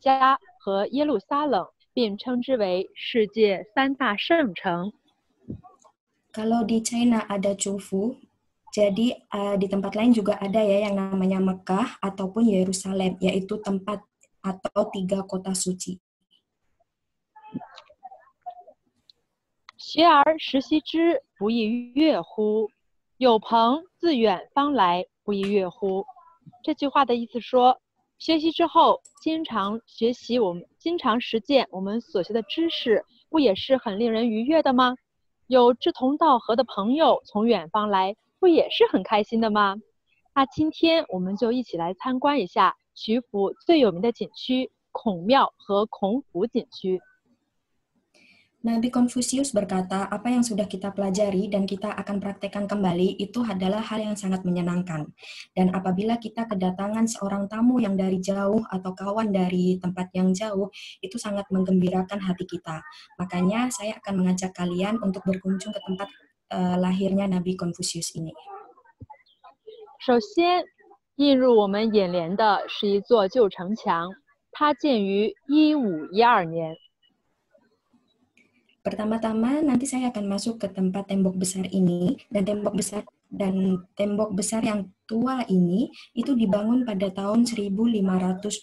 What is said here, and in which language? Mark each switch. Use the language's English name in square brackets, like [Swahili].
[Chinese] 中国的曲阜、沙特的麦加和耶路撒冷 并称之为世界三大圣城。 [Indonesian] Kalau di China ada Chufu, jadi di tempat lain juga ada ya yang namanya Mekah ataupun Yerusalem, yaitu tempat atau tiga kota suci. [Chinese] 学而时习之，不亦说乎？有朋自远方来，不亦说乎？这句话的意思说。学习之后，经常学习我们经常实践我们所学的知识，不也是很令人愉悦的吗？有志同道合的朋友从远方来，不也是很开心的吗？那今天我们就一起来参观一下曲阜最有名的景区——孔庙和孔府景区。 [Indonesian] Nabi Confucius berkata, apa yang sudah kita pelajari dan kita akan praktekkan kembali itu adalah hal yang sangat menyenangkan. Dan apabila kita kedatangan seorang tamu yang dari jauh atau kawan dari tempat yang jauh, itu sangat menggembirakan hati kita. Makanya saya akan mengajak kalian untuk berkunjung ke tempat lahirnya Nabi Confucius ini. [Chinese] 首先，映入我们眼帘的是一座旧城墙，它建于1512年。 [Indonesian] Pertama-tama nanti saya akan masuk ke tempat tembok besar ini dan tembok besar yang tua ini itu dibangun pada tahun 1512.